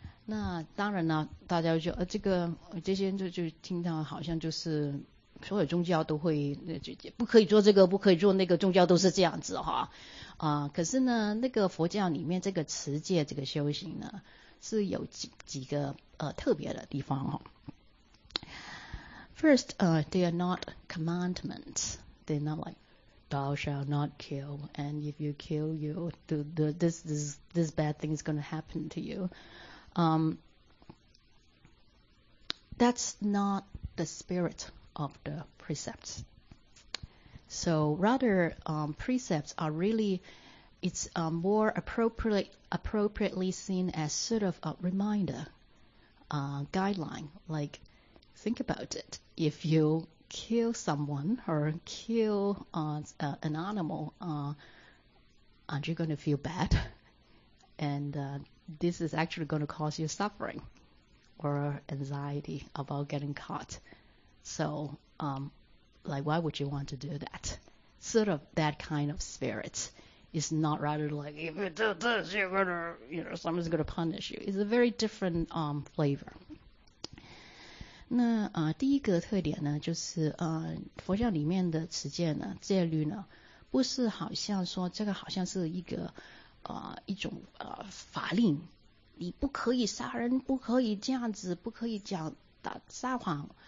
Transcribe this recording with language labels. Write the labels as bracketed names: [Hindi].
[Chinese] 那当然呢，大家就这些就听到好像就是所有宗教都会，不可以做这个，不可以做那个，宗教都是这样子哈。可是呢，那个佛教里面这个持戒这个修行呢，是有几个特别的地方哈。 [English] First, they are not commandments. They're not like, thou shalt not kill, and if you kill, you do this bad thing is going to happen to you. That's not the spirit of the precepts. So rather, precepts are really, it's more appropriately seen as sort of a reminder, guideline. Like, think about it. If you kill someone or kill an animal, aren't you going to feel bad? And this is actually going to cause you suffering or anxiety about getting caught. So, like, why would you want to do that? Sort of that kind of spirit. It's not rather like, if you do this, you're going to, you know, someone's going to punish you. It's a very different flavor. [Chinese] 那第一个特点呢，就是佛教里面的持戒呢、戒律呢，不是好像说这个好像是一个一种法令，你不可以杀人，不可以这样子，不可以讲打撒谎。